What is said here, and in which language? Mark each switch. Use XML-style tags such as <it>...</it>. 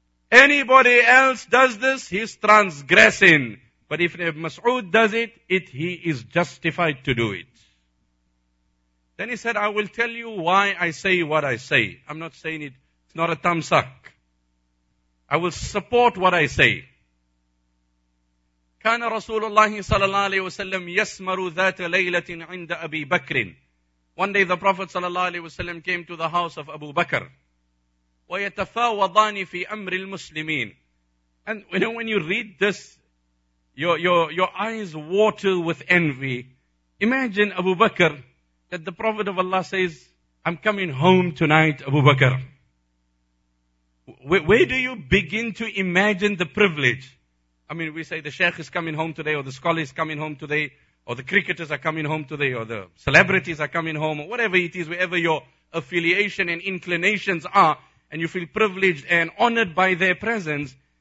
<en>Anybody else does this, he's transgressing. But if Ibn Mas'ud does it, he is justified to do it. Then he said, I will tell you why I say what I say. I'm not saying it. It's not a tamsak. I will support what I say.</en> <ar>كان رسول الله صلى الله عليه وسلم يسمر ذات ليلة عند أبي بكر.</ar> <en>One day the Prophet صلى الله عليه وسلم came to the house of Abu Bakr.</en> <ar>ويتفاوضان في أمر المسلمين.</ar> <en>And you know, when you read this, your eyes water with envy. Imagine Abu Bakr, that the Prophet of Allah says, I'm coming home tonight, Abu Bakr. Where do you begin to imagine the privilege? I mean, we say the Sheikh is coming home today, or the scholar is coming home today, or the cricketers are coming home today, or the celebrities are coming home, or whatever it is, wherever your affiliation and inclinations are, and you feel privileged and honored by their presence.</en>